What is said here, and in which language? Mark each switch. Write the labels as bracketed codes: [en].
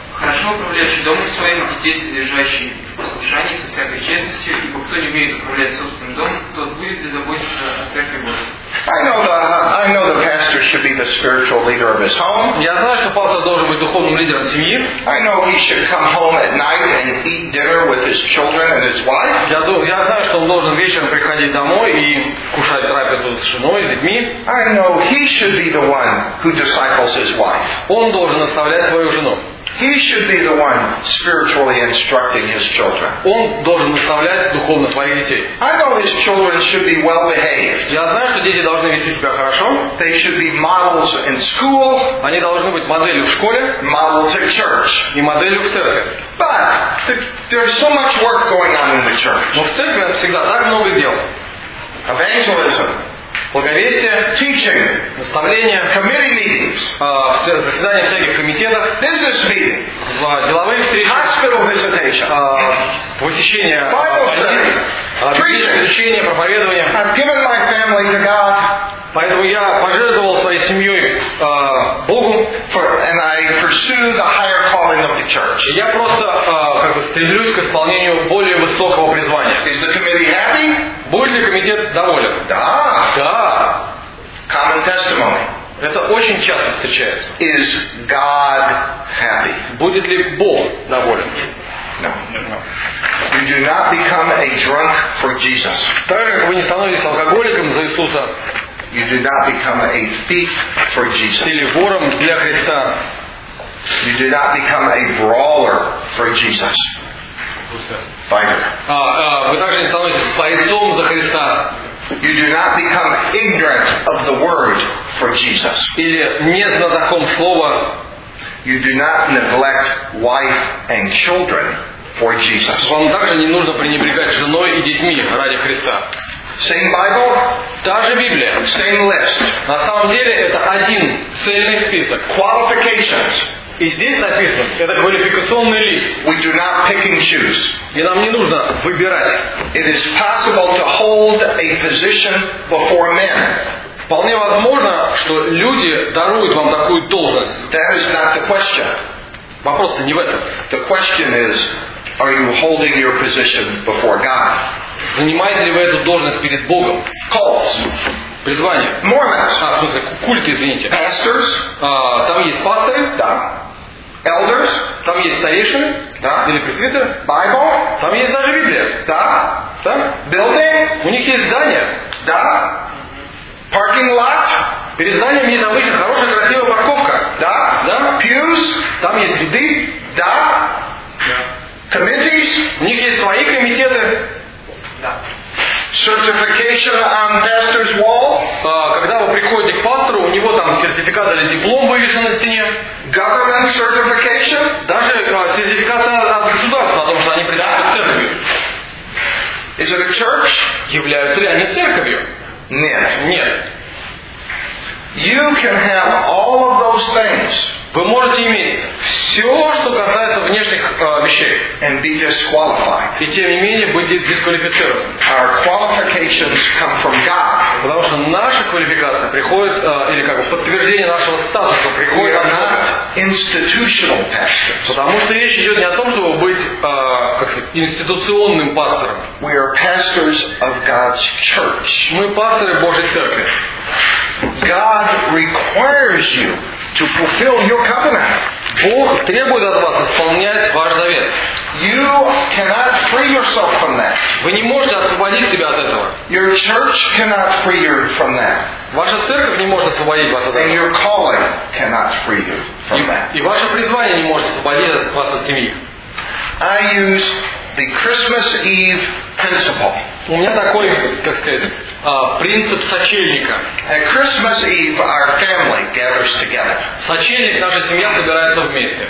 [ru] Хорошо управляющий домом своим детей, содержащие в послушании со всякой честностью, ибо кто не умеет управлять собственным домом, тот будет ли заботиться о церкви Божьей. [en] I know the pastor should be the spiritual leader of his home. [ru] Я знаю, что пастор должен быть духовным лидером семьи. [en] I know he should come home at night and eat dinner with his children and his wife. [ru] Я знаю, что он должен вечером приходить домой и кушать трапезу с женой, с детьми. [en] I know he should be the one who disciples his wife. [ru] Он должен наставлять свою жену. [en] He should be the one spiritually instructing his children. [ru] Он должен наставлять духовно своих детей. [en] I know his children should be well behaved. [ru] Я знаю, что дети должны вести себя хорошо. [en] They should be models in school. [ru] Они должны быть моделью в школе. [en] Models at church. [ru] И моделью в церкви. [en] But there's so much work going on in the church. [ru] Но в церкви всегда так много дел. [en] Evangelism. [ru] Благовестие, [en] teaching, [ru] наставление, [en] committee meetings, [ru] заседания всяких комитетов, [en] business meetings, [ru] деловые встречи, [en] hospital visitation, [ru] посещение, [en] Bible study, [ru] проповедование. [en] I've given my family to God. [ru] Поэтому я пожертвовал своей семьей Богу. [en] And I pursue the higher calling of the church. [ru] Я просто как бы стремлюсь к исполнению более высокого призвания. [en] Is the committee happy? [ru] Будет ли комитет доволен? Да. Да. [en] Common testimony. [ru] Это очень часто встречается. [en] Is God happy? [ru] Будет ли Бог доволен? [en] No. You do not become a drunk for Jesus. [ru] Так же, как вы не становитесь алкоголиком за Иисуса. [en] You do not become a thief for Jesus. [ru] Или вором для Христа. [en] You do not become a brawler for Jesus. Fighter. [ru] Вы также не становитесь бойцом за Христа. [en] You do not become ignorant of the word for Jesus. [ru] Или незнатоком слова. [en] You do not neglect wife and children for Jesus. [ru] Вам также не нужно пренебрегать женой и детьми ради Христа. [en] Same Bible, [ru] та же Библия. [en] Same list. [ru] На самом деле это один цельный список. [en] Qualifications. [ru] И здесь написано, это квалификационный лист. [en] We do not pick and choose. [ru] И нам не нужно выбирать. [en] It is possible to hold a position before men. [ru] Вполне возможно, что люди даруют вам такую должность. [en] That is not the question. [ru] Вопрос-то не в этом. [en] The question is, are you holding your position before God? [ru] Занимаете ли вы эту должность перед Богом? [en] Calls. [ru] Призвание. [en] Mormons. [ru] А, в смысле, культы, извините. [en] Pastors. [ru] Там есть пасторы. Да. [en] Elders. [ru] Там есть старейшины. Да. Или пресвитеры. [en] Bible. [ru] Там есть даже Библия. Да. Да. [en] Building. [ru] У них есть здание. Да. [en] Parking lot. [ru] Перед зданием есть обычно хорошая, красивая парковка. Да. Да. [en] Pews. [ru] Там есть ряды. Да. [en] Committees. [ru] У них есть свои комитеты. Да. [en] Certification on pastor's wall. [ru] Когда вы приходите к пастору, у него там сертификат или диплом вывешен на стене. [en] Government certification. [ru] Даже сертификация от государства, потому что они приходят в церковь. [en] Is it a church? [ru] Являются ли они церковью? Нет. Нет. [en] You can have all of those things. [ru] Вы можете иметь все, что касается внешних вещей. [en] And be disqualified. [ru] И тем не менее быть дисквалифицированным. [en] Our qualifications come from God. [ru] Потому что наша квалификация приходит, или как бы подтверждение нашего статуса приходит от Бога. [en] Institutional pastors. [ru] Потому что речь идет не о том, чтобы быть как сказать, институционным пастором. [en] We are pastors of God's church. [ru] Мы пасторы Божьей Церкви. [en] God requires you to fulfill your covenant. [ru] Бог требует от вас исполнять ваш завет. [en] You cannot free yourself from that. [ru] Вы не можете освободить себя от этого. [en] Your church cannot free you from that. [ru] Ваша церковь не может освободить вас от этого. [en] And your calling cannot free you from that. [ru] И ваше призвание не может освободить вас от семьи. [en] I use the Christmas Eve principle. [ru] У меня такой, как сказать, принцип сочельника. [en] At Christmas Eve, our family gathers together. [ru] Сочельник, наша семья собирается вместе.